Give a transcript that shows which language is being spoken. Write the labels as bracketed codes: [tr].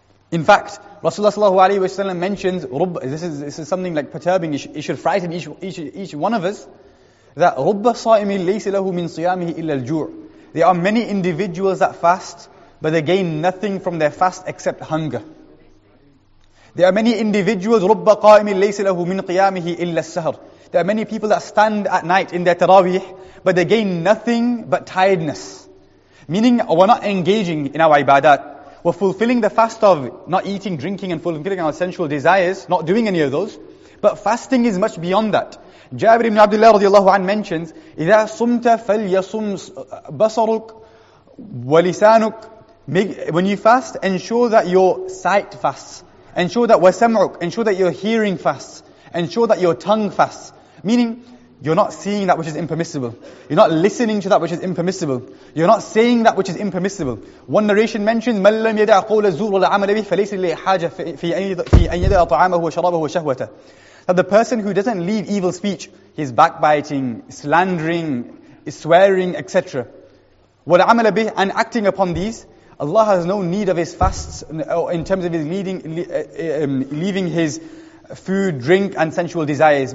[en] In fact, Rasulullah sallallahu alaihi wasallam mentions, this is something like perturbing, it should frighten each one of us, that [ar] رُبَّ صَائِمِ لَيْسِ لَهُ مِنْ صِيَامِهِ إِلَّا الْجُوعِ. [en] There are many individuals that fast, but they gain nothing from their fast except hunger. There are many individuals, [ar] رُبَّ قَائِمِ لَيْسِ لَهُ مِنْ قِيَامِهِ إِلَّا السَّهْرِ. [en] There are many people that stand at night in their tarawih, but they gain nothing but tiredness. Meaning, we're not engaging in our ibadat. We're fulfilling the fast of not eating, drinking, and fulfilling our sensual desires, not doing any of those. But fasting is much beyond that. Jabir ibn Abdullah radiallahu anhu mentions, [ar] إِذَا صُمْتَ فَلْيَصُمْ بَصَرُكَ وَلِسَانُكَ. [en] When you fast, ensure that your sight fasts. Ensure that [ar] وَسَمْعُكَ. [en] Ensure that your hearing fasts. Ensure that your tongue fasts. Meaning, you're not seeing that which is impermissible. You're not listening to that which is impermissible. You're not saying that which is impermissible. [ar] One narration mentions, مَنْ لَمْ يَدَعْ قَوْلَ الزُّورُ وَلَعَمَلَ بِهِ فَلَيْسِ لِي حَاجَةً فِي أَنْ يَدَعْ طَعَامَهُ وَشَرَابَهُ وَشَهْوَتَهُ. [en] That the person who doesn't leave evil speech, he's backbiting, slandering, swearing, etc. [ar] وَلَعَمَلَ بِهِ, [en] and acting upon these, Allah has no need of his fasts in terms of his leaving his food, drink, and sensual desires.